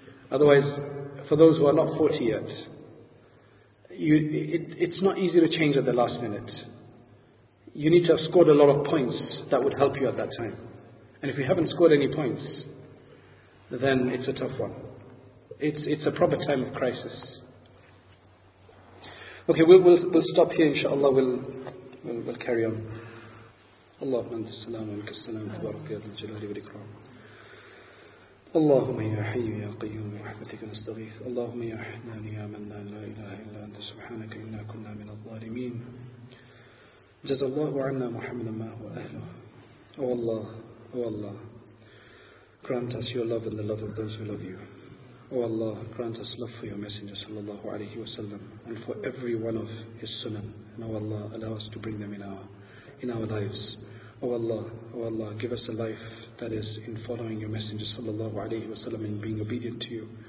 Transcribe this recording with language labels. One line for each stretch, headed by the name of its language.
English: Otherwise, for those who are not 40 yet, it's not easy to change at the last minute. You need to have scored a lot of points that would help you at that time. And if you haven't scored any points, then it's a tough one. It's a proper time of crisis. Okay, we'll stop here, inshallah. We'll carry on.
Arabic: اللهم انت السلام عليك السلام تبارك يا ذا الجلال والاكرام اللهم يا حي يا قيوم برحمتك نستغيث اللهم يا حنان يا منان لا اله الا انت سبحانك انا كنا من الظالمين جزا الله عنا محمدا ما هو اهله
English: Oh Allah, grant us your love and the love of those who love you. Oh Allah, grant us love for your messenger sallallahu alayhi wa sallam and for every one of his sunan. And Oh Allah, allow us to bring them in our lives. Oh Allah, give us a life that is in following your messenger sallallahu alayhi wa sallam and being obedient to you.